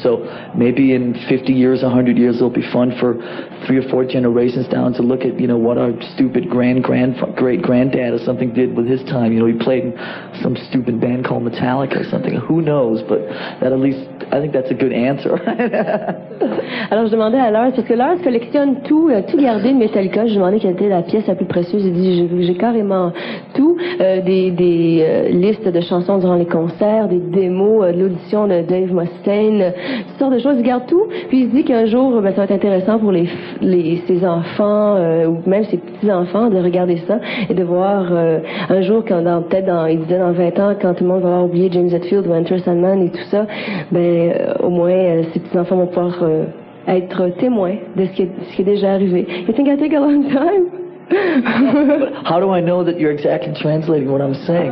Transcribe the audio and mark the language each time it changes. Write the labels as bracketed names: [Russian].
[English] So maybe in 50 years, 100 years, it'll be fun for 3 or 4 generations down to look at, you know, what our stupid great-granddad or something did with his time. You know, he played in some stupid band called Metallica or something. Who knows? But that, at least, I think that's a good answer. [French] Alors je demandais à Lars, parce que Lars collectionne tout, tout gardé de Metallica. Je demandais quelle était la pièce la plus précieuse. Il dit j'ai carrément tout, des listes de chansons durant les concerts, des démos de l'audition de Dave Mustaine, toutes sortes de choses. Il garde tout. Puis il se dit qu'un jour ben, ça va être intéressant pour ses enfants ou même ses petits-enfants de regarder ça et de voir un jour quand dans 20 ans quand tout le monde va avoir oublié James Hetfield ou Enter Sandman et tout ça, ben au moins ses petits enfants vont pouvoir être témoins de ce qui est déjà arrivé. [English] You think I take a long time? How do I know that you're exactly translating what I'm saying?